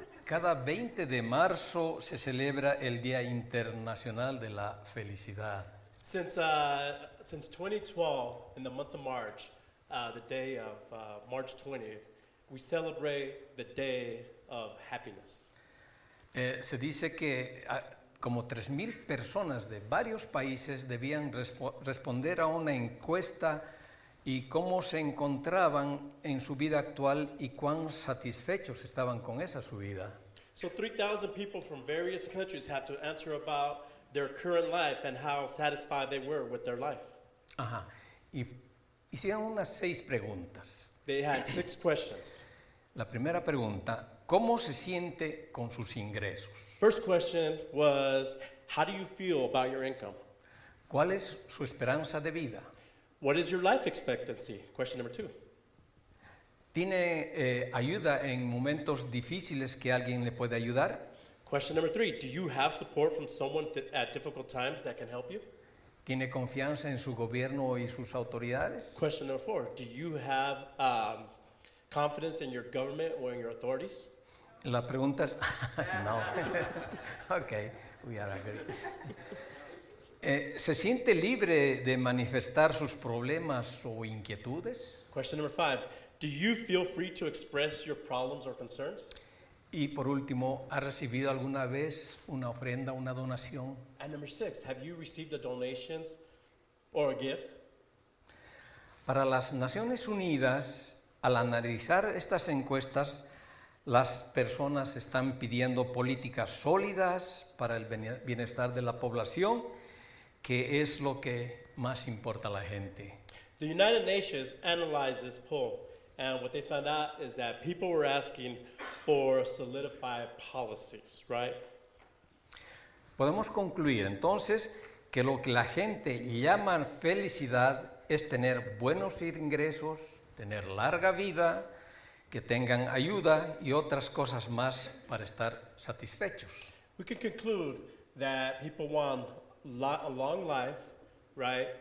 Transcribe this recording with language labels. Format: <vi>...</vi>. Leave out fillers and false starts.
<es>Cada 20 de marzo se celebra el Día Internacional de la Felicidad.</es> <en>Since 2012, in the month of March, the day of March 20th, we celebrate the day of happiness.</en> <es>Se dice que como 3,000 personas de varios países debían responder a una encuesta y cómo se encontraban en su vida actual y cuán satisfechos estaban con esa su vida.</es> <en>So 3,000 people from various countries had to answer about their current life and how satisfied they were with their life.</en> <es>Ajá. Y hicieron unas 6 preguntas.</es> <en>They had 6 questions.</en> <es>La primera pregunta, ¿cómo se siente con sus ingresos?</es> <en>First question was, how do you feel about your income?</en> <es>¿Cuál es su esperanza de vida?</es> <en>What is your life expectancy? Question number 2.</en> <es>¿Tiene ayuda en momentos difíciles que alguien le puede ayudar?</es> <en>Question number 3. Do you have support from someone at difficult times that can help you?</en> <es>¿Tiene confianza en su gobierno y sus autoridades?</es> <en>Question number 4. Do you have confidence in your government or in your authorities?</en> <es>La pregunta es... no.</es> <en>Okay. We are agree.</en> <es>¿Se siente libre de manifestar sus problemas o inquietudes?</es> <en>Question number 5. Do you feel free to express your problems or concerns?</en> <es>Y por último, ¿ha recibido alguna vez una ofrenda, una donación?</es> <en>And number 6, have you received a donation or a gift?</en> <es>Para las Naciones Unidas, al analizar estas encuestas, las personas están pidiendo políticas sólidas para el bienestar de la población, que es lo que más importa a la gente.</es> <en>The United Nations analyzed this poll. And what they found out is that people were asking for solidified policies, right?</en> <es>Podemos concluir entonces que lo que la gente llama felicidad es tener buenos ingresos, tener larga vida, que tengan ayuda y otras cosas más para estar satisfechos.</es> <en>We can conclude that people want a long life, right?</en>